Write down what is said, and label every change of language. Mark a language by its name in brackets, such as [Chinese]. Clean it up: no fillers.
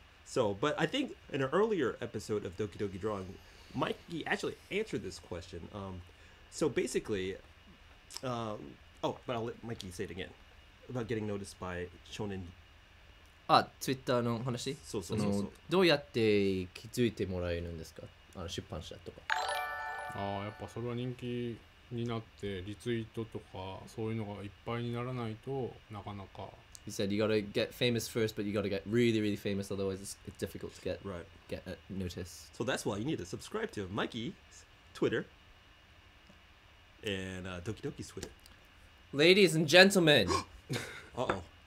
[English] So, but I think in an earlier episode of Doki Doki Drawing, Mikey actually answered this question. So basically, but I'll let Mikey say it again about getting noticed by Shonen. [Japanese] Ah, Twitter の話? [English] So. [Japanese] どうやって気づいてもらえるんですか? あの、出版社とか。ああ、やっぱそれは人気になってリツイートとかそういうのがいっぱいにならないとなかなか。 [English] He said you gotta get famous first, but you gotta get really, really famous, otherwise it's difficult to get, right. get a notice. So that's why you need to subscribe to Mikey's Twitter and Doki Doki's Twitter. Ladies and gentlemen. Uh-oh.